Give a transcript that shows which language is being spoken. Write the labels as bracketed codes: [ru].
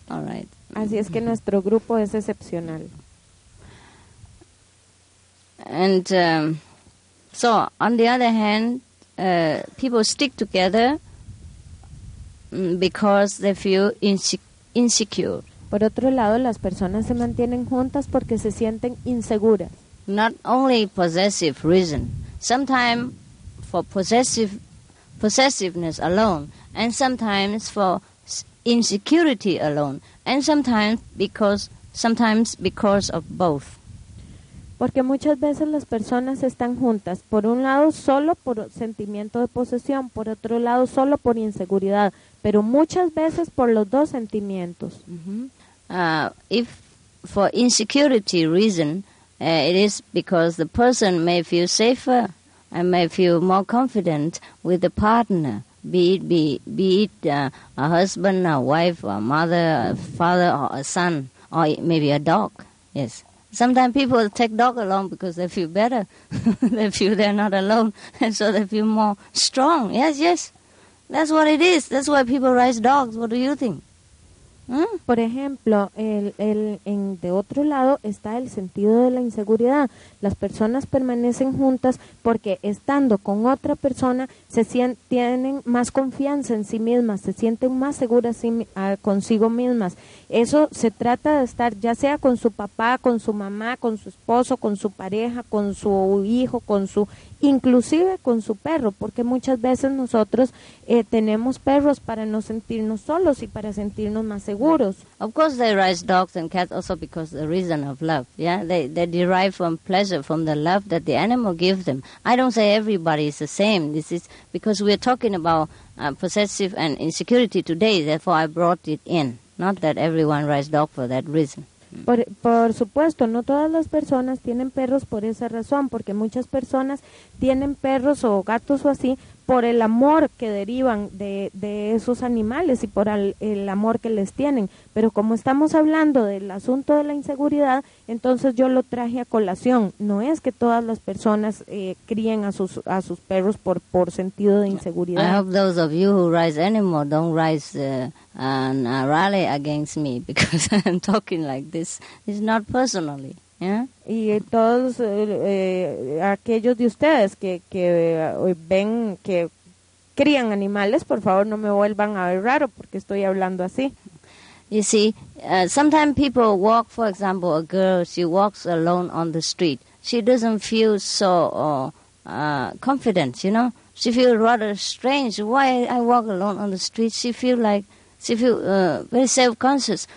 [en] All right. [es] Así es que nuestro grupo es excepcional. [en] And so, on the other hand, people stick together because they feel insecure. [es] Por otro lado, las personas se mantienen juntas porque se sienten inseguras. [en] Not only possessive reason, sometimes for possessiveness alone, and sometimes for insecurity alone, and sometimes because of both. [es] Porque muchas veces las personas están juntas, por un lado solo por sentimiento de posesión, por otro lado solo por inseguridad, pero muchas veces por los dos sentimientos. [en] If for insecurity reason, it is because the person may feel safer and may feel more confident with the partner, be it a husband, a wife, a mother, a father, or a son, or maybe a dog. Yes. Sometimes people take dog along because they feel better. They feel they're not alone, and so they feel more strong. Yes, yes. That's what it is. That's why people raise dogs. What do you think? [es] Por ejemplo, de otro lado está el sentido de la inseguridad. Las personas permanecen juntas porque estando con otra persona tienen más confianza en sí mismas, se sienten más seguras consigo mismas. Eso se trata de estar ya sea con su papá, con su mamá, con su esposo, con su pareja, con su hijo, inclusive con su perro, porque muchas veces nosotros tenemos perros para no sentirnos solos y para sentirnos más seguros. [en] Of course they raise dogs and cats also because of the reason of love. Yeah, they derive from pleasure from the love that the animal gives them. I don't say everybody is the same. This is because we are talking about possessive and insecurity today, therefore I brought it in. Not that everyone raises dog for that reason. [es] Por supuesto, no todas las personas tienen perros por esa razón, porque muchas personas tienen perros o gatos o así por el amor que derivan de esos animales y por el amor que les tienen. Pero como estamos hablando del asunto de la inseguridad, entonces yo lo traje a colación. No es que todas las personas críen a sus perros por sentido de inseguridad. [en] I hope those of you who raise animals don't raise a rally against me because I'm talking like this. It's not personally. [es] Y todos aquellos de ustedes que crían animales, por favor no me vuelvan a ver raro porque estoy hablando así. [en] You see, sometimes people walk, for example, a girl, she walks alone on the street. She doesn't feel so confident, you know. She feels rather strange. Why I walk alone on the street? She feels very self-conscious.